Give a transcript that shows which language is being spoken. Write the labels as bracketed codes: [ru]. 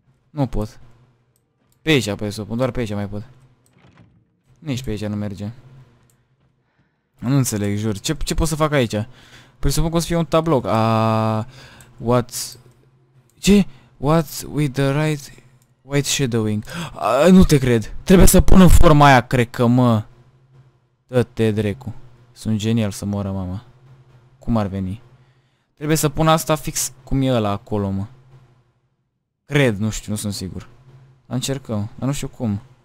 [ro] Nu pot. Pe aici apoi să pun, doar pe aici mai pot. Nici pe aici nu merge. Nu înțeleg, jur. Ce pot să fac aici? Presupun că o să fie un tablou. [en] What's with the right white shadowing? [ro] Nu te cred. Trebuie să pun în forma aia, cred că, mă. Dă-te, drecu. Sunt genial să moară mama. Cum ar veni? Trebuie să pun asta fix cum e ăla acolo, mă. Cred, nu știu, nu sunt sigur. Încercăm, dar nu știu cum.